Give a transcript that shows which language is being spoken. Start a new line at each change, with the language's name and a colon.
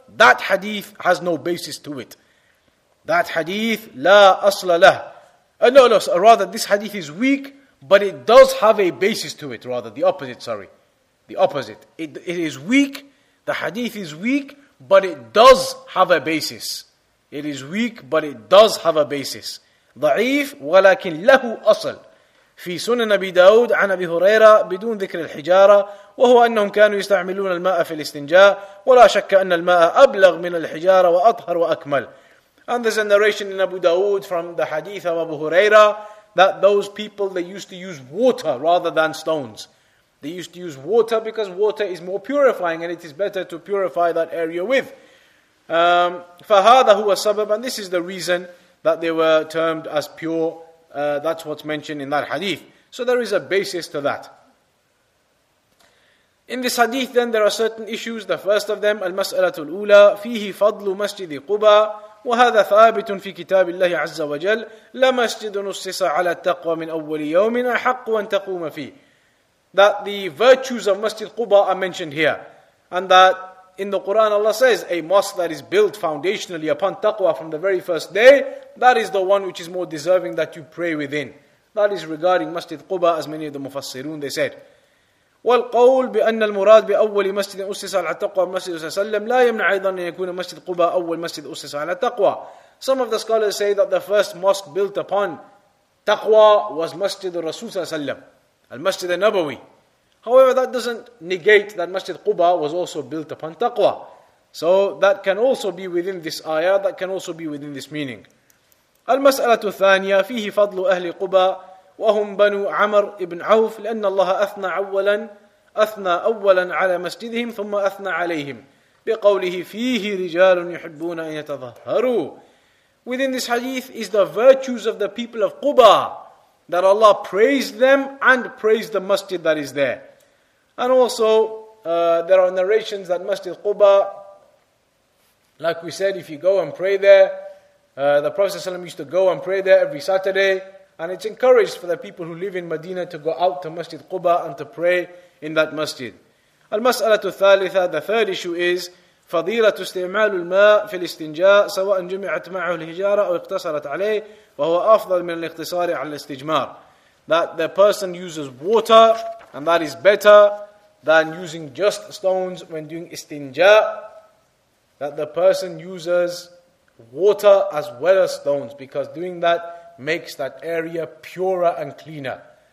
English: That hadith has no basis to it. That hadith,
Arabic: la asla lah.
English: Rather, this hadith is weak, but it does have a basis to it. The opposite. It is weak. The hadith is weak, but it does have a basis. It is weak, but it does have a basis.
Arabic: ضعيف ولكن له أصل في سنن أبي داود عن أبي هريرة بدون ذكر الحجارة وهو أنهم كانوا يستعملون الماء في الاستنجاء ولا شك أن الماء أبلغ من الحجارة وأطهر وأكمل.
English: And there's a narration in Abu Dawood from the hadith of Abu Huraira that those people, they used to use water rather than stones. They used to use water because water is more purifying and it is better to purify that area with.
Arabic: فَهَذَا هُوَ السَّبَبُ,
English: and this is the reason that they were termed as pure. That's what's mentioned in that hadith. So there is a basis to that. In this hadith then, there are certain issues. The first of them,
Arabic: الْمَسْأَلَةُ الْأُولَى فِيهِ فَضْلُ مَسْجِدِ قُبَى وَهَذَا ثَابِتٌ فِي كِتَابِ اللَّهِ عَزَّ وَجَلْ لَمَسْجِدٌ أُسِّسَ عَلَى التَّقْوَى مِنْ أَوَّلِ يَوْمٍ أَحَقُّ وَأَنْ تَقُومَ فِيهِ.
English: That the virtues of Masjid Quba are mentioned here. And that in the Quran Allah says, a mosque that is built foundationally upon taqwa from the very first day, that is the one which is more deserving that you pray within. That is regarding Masjid Quba, as many of the Mufassirun, they said.
Arabic: والقول بأن المراد بأول مسجد أسس على التقوى مسجد صلى الله عليه وسلم لا يمنع أيضا أن يكون مسجد قباء أول مسجد أسس على التقوى.
English: Some of the scholars say that the first mosque built upon taqwa was Masjid Rasul
Arabic: صلى الله عليه وسلم, المسجد النبوي.
English: However, that doesn't negate that Masjid Quba was also built upon taqwa. So that can also be within this ayah, that can also be within this meaning.
Arabic: المسألة الثانية فيه فضل أهل قباء وهم بنو عمر ابن عوف لأن الله أثنى أولا على مسجدهم ثم أثنى عليهم بقوله فيه رجال يحبون أن يتظهروا.
English: Within this hadith is the virtues of the people of Quba, that Allah praised them and praised the masjid that is there. And also, there are narrations that Masjid Quba, like we said, if you go and pray there, the Prophet ﷺ used to go and pray there every Saturday. And it's encouraged for the people who live in Medina to go out to Masjid Quba and to pray in that masjid.
Arabic: المسألة الثالثة,
English: the third issue is
Arabic: فضيلة استعمال الماء في الاستنجاء سواء جمعت معه الهجارة أو اقتصرت عليه وهو أفضل من الاقتصار على الاستجمار.
English: That the person uses water and that is better than using just stones when doing استنجاء. That the person uses water as well as stones, because doing that makes that area purer and cleaner.